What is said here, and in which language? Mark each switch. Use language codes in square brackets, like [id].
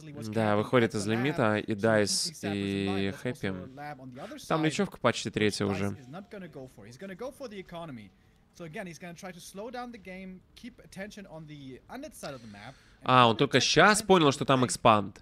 [ru] Да, выходит из лимита и Дайс, и Хэппи. Там лечевка почти третья уже. [en] So again, he's going to try to slow down the game, keep attention on the undead side of the map. [ru] А, он только сейчас понял, что там экспанд.